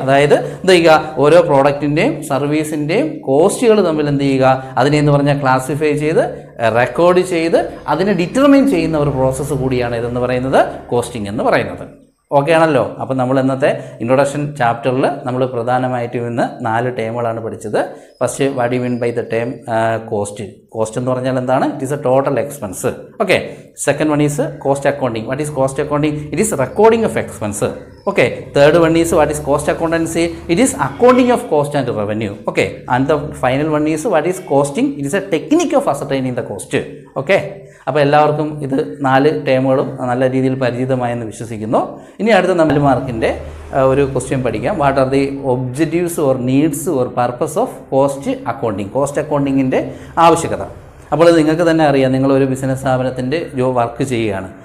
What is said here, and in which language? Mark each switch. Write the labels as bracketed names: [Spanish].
[Malayalam] അതായത് എന്ത് ചെയ്യുക, ഓരോ പ്രോഡക്റ്റിൻ്റെയും സർവീസിൻ്റെയും കോസ്റ്റുകൾ തമ്മിൽ എന്ത് ചെയ്യുക, അതിനെ എന്ന് പറഞ്ഞാൽ ക്ലാസിഫൈ ചെയ്ത് റെക്കോർഡ് ചെയ്ത് അതിനെ ഡിറ്റർമൈൻ ചെയ്യുന്ന ഒരു പ്രോസസ്സ് കൂടിയാണ് ഇതെന്ന് പറയുന്നത് കോസ്റ്റിംഗ് എന്ന് പറയുന്നത്. ഓക്കെ ആണല്ലോ. അപ്പോൾ നമ്മൾ ഇന്നത്തെ ഇൻട്രൊഡക്ഷൻ ചാപ്റ്ററിൽ നമ്മൾ പ്രധാനമായിട്ടും ഇന്ന് 4 ടേമുകളാണ് പഠിച്ചത്. [English] First what you mean by the term cost. [Malayalam] Cost എന്ന് പറഞ്ഞാൽ എന്താണ്, [English] It is a total expense. Okay, Second one is cost accounting. What is cost accounting? It is recording of expense. Okay. Third one is what is cost accountancy? It is accounting of cost and revenue. Okay. And the final one is what is costing? It is a technique of ascertaining the cost. Okay. [Malayalam] അപ്പൊ എല്ലാവർക്കും ഇത് നാല് ടേമുകളും നല്ല രീതിയിൽ പരിചിതമായെന്ന് വിശ്വസിക്കുന്നു. ഇനി അടുത്ത നാല് മാർക്കിന്റെ ഒരു ക്വസ്റ്റ്യൻ പഠിക്കാം. [English] what are the objectives or needs or purpose of cost accounting [Malayalam] cost അക്കൗണ്ടിങ്ങിന്റെ ആവശ്യകത. അപ്പോൾ നിങ്ങൾക്ക് തന്നെ അറിയാം, നിങ്ങൾ ഒരു ബിസിനസ് സ്ഥാപനത്തിന്റെ ജോ വർക്ക് ചെയ്യുകയാണ്.